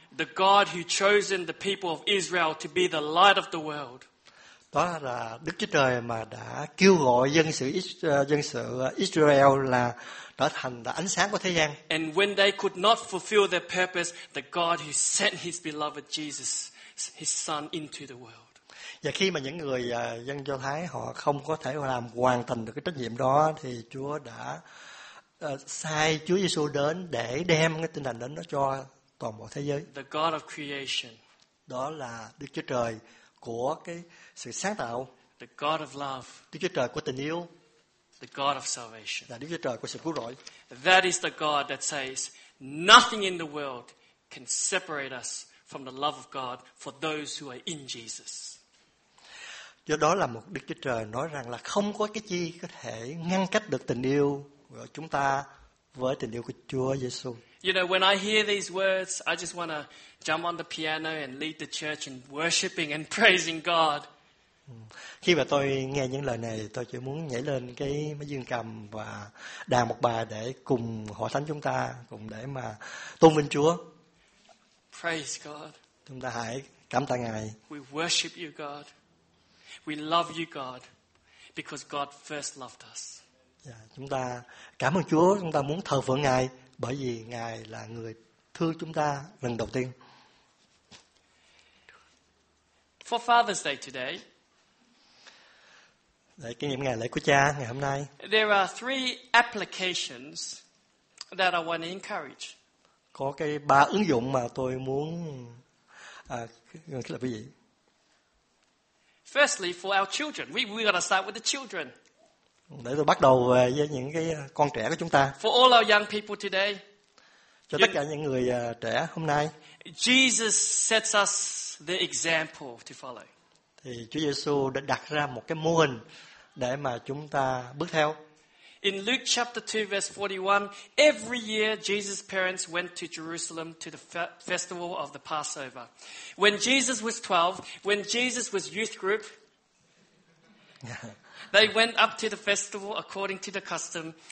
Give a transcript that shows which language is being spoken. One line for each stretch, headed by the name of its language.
English: The God who chosen the people of Israel to be the light of the world.
Vietnamese: Đó là Đức Chúa Trời mà đã kêu gọi dân sự Israel là trở thành là ánh sáng của thế gian.
English: And when they could not fulfill their purpose, the God who sent His beloved Jesus, His Son into the world.
Vietnamese: Và khi mà những người dân Do Thái họ không có thể làm hoàn thành được cái trách nhiệm đó, thì Chúa đã sai Chúa Giêsu đến để đem cái tin lành đến đó cho toàn bộ thế giới.
English: The God of creation.
Vietnamese: Đó là Đức Chúa Trời của cái sự sáng tạo.
English: The God of love.
Vietnamese: Đức Chúa Trời của tình yêu.
English: The God of salvation.
Vietnamese: Là Đức Chúa Trời của sự cứu rỗi.
English: That is the God that says nothing in the world can separate us from the love of God for those who are in Jesus.
Vietnamese: Do đó là một Đức Chúa Trời nói rằng là không có cái chi có thể ngăn cách được tình yêu của chúng ta với tình yêu của Chúa Giêsu.
English: You know, when I hear these words, I just want to jump on the piano and lead the church in worshiping and praising God.
Vietnamese: Khi mà tôi nghe những lời này, tôi chỉ muốn nhảy lên cái máy dương cầm và đàn một bài để cùng hội thánh chúng ta cùng để mà tôn vinh Chúa.
English: Praise God.
Vietnamese: Chúng ta hãy cảm tạ Ngài.
English: We worship you, God. We love you, God, because God first loved us.
Vietnamese: Chúng ta cảm ơn Chúa, chúng ta muốn thờ phượng Ngài bởi vì Ngài là người thương chúng ta lần đầu tiên.
English: For Father's Day today.
Vietnamese: Để kỷ niệm ngày lễ của Cha ngày hôm nay.
English: There are three applications that I want to encourage.
Vietnamese: Có cái ba ứng dụng mà tôi muốn là cái gì?
English: Firstly, for our children. We got to start with the children.
Vietnamese: Để tôi bắt đầu về với những cái con trẻ của chúng ta.
English: For all our young people today.
Vietnamese: Cho tất cả những người trẻ hôm nay.
English: Jesus sets us the example to follow.
Vietnamese: Thì Chúa Giêsu đã đặt ra một cái mô hình để mà chúng ta bước theo.
English: In Luke chapter 2 verse 41, every year Jesus' parents went to Jerusalem to the festival of the Passover. When Jesus was 12, when Jesus was youth group, they went up to the festival according to the custom.